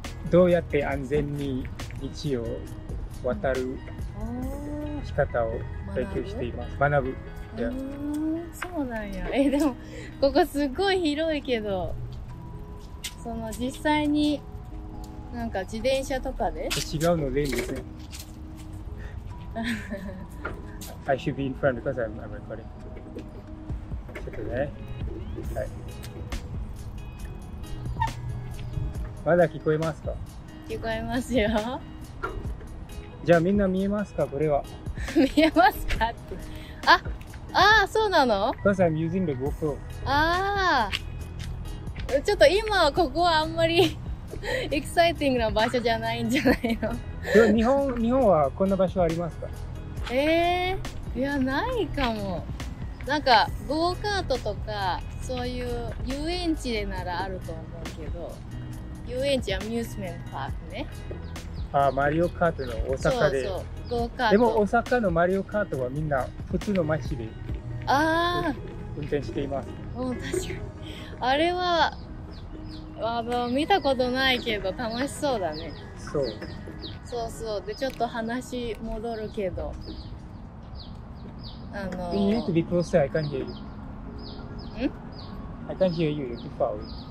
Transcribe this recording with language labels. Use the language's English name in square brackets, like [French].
[Japanese] どうやって安全に道を渡る仕方を勉強しています。学ぶ。そうなんや。でもここすごい広いけど、その実際に。なんか自転車とかで？違うのでいいんですね。 [English] I should be in front because I'm recording. [Japanese] ちょっとね、はい、まだ聞こえますか？聞こえますよ。じゃあみんな見えますか、これは。見えますかって。ああ、そうなの？ [English] Because I'm using the GoPro。 [Japanese] あちょっと今ここはあんまりエキサイティングな場所じゃないんじゃないの？でも日本はこんな場所ありますか？いや、ないかも。なんかゴーカートとかそういう遊園地でならあると思うけど、遊園地アミューズメントパークね。ああ、マリオカートの大阪で。そうそう、ゴーカート。でも大阪のマリオカートはみんな普通の街で、ああ、運転しています。うん、確かに。あれは見たことないけど楽しそうだね。そうそうそう。で、ちょっと話戻るけど、 [English] You need to be closer, I can't hear you. Hmm? I can't hear you, you're too far away.